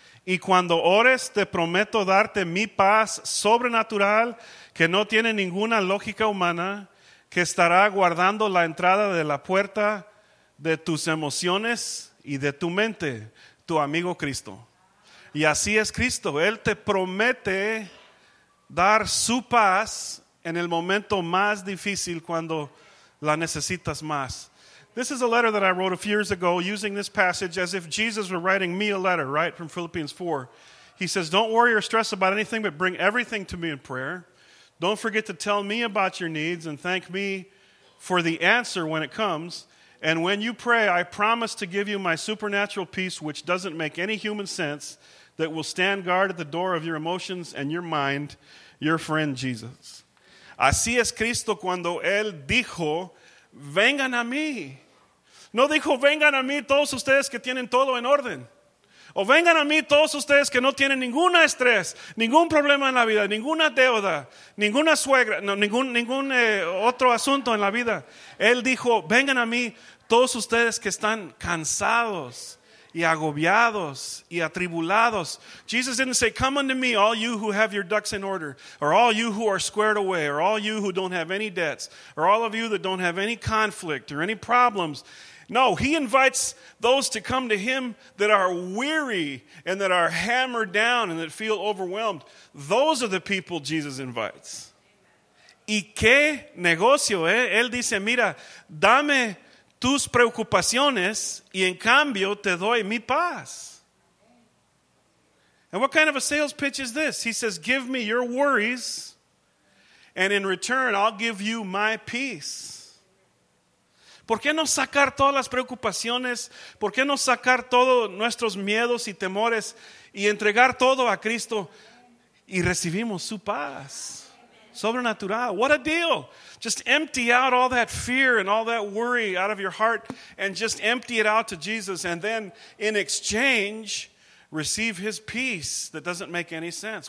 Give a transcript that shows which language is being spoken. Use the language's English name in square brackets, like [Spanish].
[Spanish] Y cuando ores, te prometo darte mi paz sobrenatural que no tiene ninguna lógica humana, que estará guardando la entrada de la puerta de tus emociones y de tu mente, tu amigo Cristo. Y así es Cristo. Él te promete dar su paz en el momento más difícil cuando la necesitas más. [English] This is a letter that I wrote a few years ago using this passage as if Jesus were writing me a letter, right, from Philippians 4. He says, don't worry or stress about anything, but bring everything to me in prayer. Don't forget to tell me about your needs and thank me for the answer when it comes. And when you pray, I promise to give you my supernatural peace, which doesn't make any human sense, that will stand guard at the door of your emotions and your mind, your friend Jesus. [Spanish] Así es Cristo cuando Él dijo, vengan a mí. No dijo, vengan a mí todos ustedes que tienen todo en orden. O vengan a mí todos ustedes que no tienen ningún estrés, ningún problema en la vida, ninguna deuda, ninguna suegra, no, ningún otro asunto en la vida. Él dijo, vengan a mí todos ustedes que están cansados y agobiados y atribulados. [English] Jesus didn't say, come unto me, all you who have your ducks in order, or all you who are squared away, or all you who don't have any debts, or all of you that don't have any conflict or any problems. No, he invites those to come to him that are weary and that are hammered down and that feel overwhelmed. Those are the people Jesus invites. [Spanish] Y qué negocio, ¿eh? Él dice, mira, dame tus preocupaciones, y en cambio te doy mi paz. [English] And what kind of a sales pitch is this? He says, give me your worries, and in return, I'll give you my peace. [Spanish] ¿Por qué no sacar todas las preocupaciones? ¿Por qué no sacar todos nuestros miedos y temores y entregar todo a Cristo y recibimos su paz? [English] Sobrenatural. What a deal. Just empty out all that fear and all that worry out of your heart and just empty it out to Jesus and then in exchange receive his peace that doesn't make any sense.